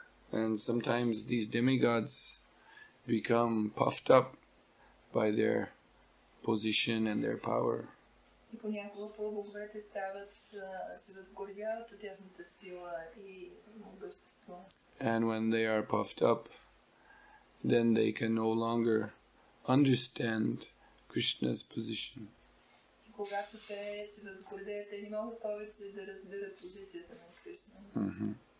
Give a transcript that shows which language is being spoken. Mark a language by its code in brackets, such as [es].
[en] And sometimes these demigods become puffed up by their position and their power. [bg] И понякога полубоговете стават, се възгордяват от тяхната сила и могъщество. [en] And when they are puffed up, then they can no longer understand Krishna's position. [bg] Когато те се възгордеят, те не могат повече да разберат позицията на Кришна.